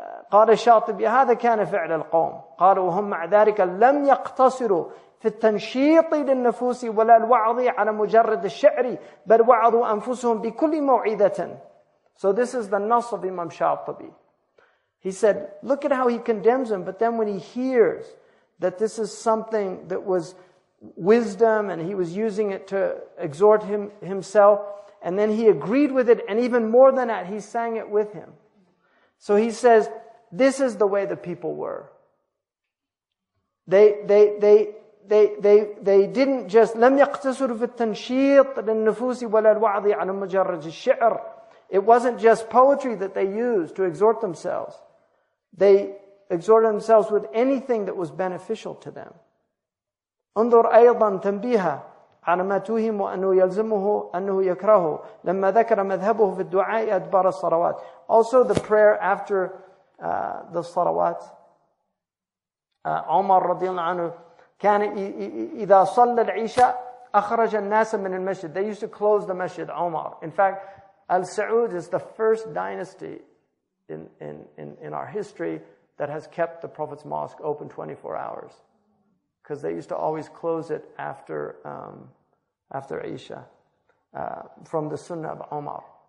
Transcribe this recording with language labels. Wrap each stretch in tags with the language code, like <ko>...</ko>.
<ar>قال الشاطبي هذا كان فعل القوم. قال وهم مع ذلك لم يقتصروا في التنشيط للنفوس ولا الوعظ على مجرد الشعر بل وعظوا أنفسهم بكل موعدة.</ar> <en>So this is the nas of Imam Shatibi. He said, look at how he condemns him, but then when he hears that this is something that was wisdom and he was using it to exhort himself, and then he agreed with it, and even more than that, he sang it with him. So he says, this is the way the people were. They didn't just</en> <ar>لم يقتصر في التنشيط للنفوس ولا الوعظ على مجرد الشعر.</ar> <en>It wasn't just poetry that they used to exhort themselves. They exhorted themselves with anything that was beneficial to them.</en> <ar>انظر أيضا تنبيها على ما توهم أنه يلزمه أنه يكرهه لما ذكر مذهبه في الدعاء أدبار الصلوات.</ar> <en>Also the prayer after the salawat.</en> <ar>Omar رضي الله عنه كان إذا صلى العشاء أخرج الناس من المسجد.</ar> <en>They used to close the masjid, Omar. In fact, Al-Saud is the first dynasty in our history that has kept the Prophet's mosque open 24 hours. Because they used to always close it after Isha, from the Sunnah of Omar.</en>